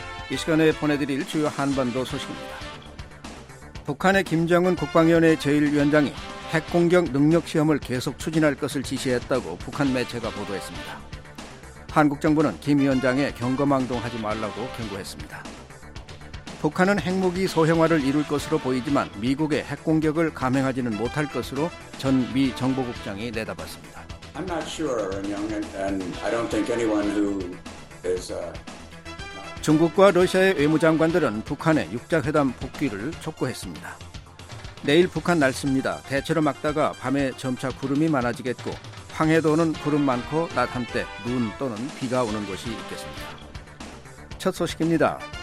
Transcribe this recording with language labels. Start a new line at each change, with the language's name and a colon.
Korean: 이 시간에 보내드릴 주요 한반도 소식입니다. 북한의 김정은 국방위원회 제1위원장이 핵 공격 능력 시험을 계속 추진할 것을 지시했다고 북한 매체가 보도했습니다. 한국 정부는 김 위원장에 경거망동하지 말라고 경고했습니다. 북한은 핵무기 소형화를 이룰 것으로 보이지만 미국의 핵 공격을 감행하지는 못할 것으로 전 미 정보국장이 내다봤습니다.
English: I'm not sure, Young, and I don't think anyone who is.
Korean: 중국과 러시아의 외무장관들은 북한의 육자회담 복귀를 촉구했습니다. 내일 북한 날씨입니다. 대체로 맑다가 밤에 점차 구름이 많아지겠고 황해도는 구름 많고 낮 한때 눈 또는 비가 오는 곳이 있겠습니다. 첫 소식입니다.